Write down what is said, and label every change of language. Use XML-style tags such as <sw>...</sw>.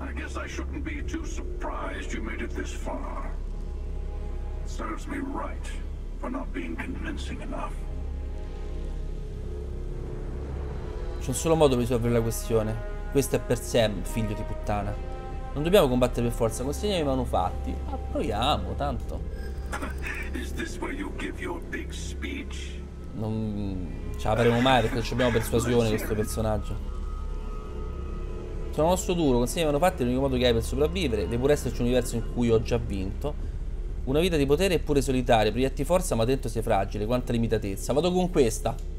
<en>I guess I shouldn't be too surprised you made it this far. Serves me right for not being convincing enough.</en> <it>C'è un solo modo per risolvere la questione. Questo è per Sam, figlio di puttana. Non dobbiamo combattere per forza. Consegniamo i manufatti. Ma proviamo, tanto.</it> <en>Is this where you give your big speech?</en> <it>Non ce l'avremo mai, perché non abbiamo persuasione questo personaggio. Sono un osso duro, consegna i manufatti, l'unico modo che hai per sopravvivere. Deve pure esserci un universo in cui ho già vinto. Una vita di potere eppure solitaria. Proietti forza, ma dentro sei fragile. Quanta limitatezza. Vado con questa.</it>